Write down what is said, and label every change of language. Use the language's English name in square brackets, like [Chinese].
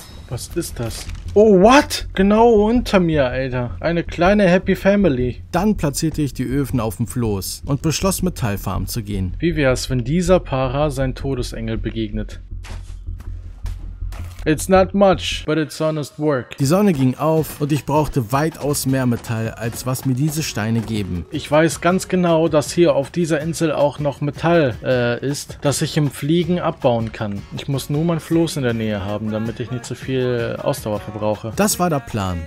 [German] Was ist das? [English] Oh, what? [German] Genau unter mir, Alter. Eine kleine [English] Happy Family. [German] Dann platzierte ich die Öfen auf dem Floß und beschloss, Metallfarm zu gehen. Wie wär's, wenn dieser Para sein Todesengel begegnet? [English] It's not much, but it's honest work. [German] Die Sonne ging auf und ich brauchte weitaus mehr Metall, als was mir diese Steine geben. Ich weiß ganz genau, dass hier auf dieser Insel auch noch Metall ist, das ich im Fliegen abbauen kann. Ich muss nur mein Floß in der Nähe haben, damit ich nicht zu viel Ausdauer verbrauche. Das war der Plan.